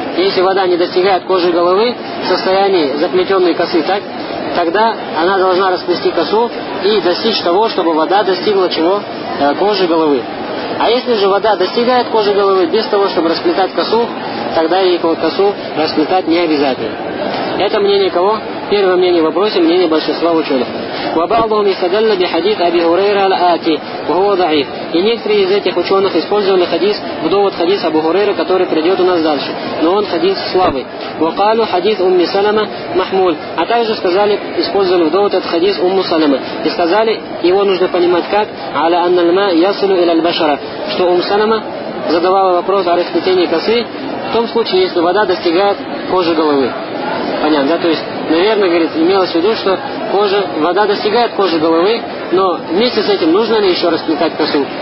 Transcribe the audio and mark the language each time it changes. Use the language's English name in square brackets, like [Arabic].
[Russian] Если вода не достигает кожи головы в состоянии заплетенной косы, так, тогда она должна расплести косу и достичь того, чтобы вода достигла чего? Кожи головы. А если же вода достигает кожи головы без того, чтобы расплетать косу, тогда ей косу расплетать не обязательно. Это мнение кого? Первое мнение в вопросе, мнение большинства ученых. [Arabic] وبعضهم يستدل بحديث أبي هريرة الآتي وهو ضعيف. [Russian] И некоторые из этих ученых использовали хадис в довод хадиса Абу Хурейры, который придет у нас дальше, но он хадис слабый. [Arabic] وقالوا حديث أم سلمة محمول. [Russian] А также сказали, использовали в довод этот хадис أم سلمة. И сказали, его нужно понимать как [Arabic] على أن الماء يصل إلى البشرة, [Russian] что أم سلمة задавала вопрос о расплетении косы в том случае, если вода достигает кожи головы. Понятно, да? То есть, наверное, говорит, имелось в виду, что кожа, вода достигает кожи головы, но вместе с этим нужно ли еще расплетать косу?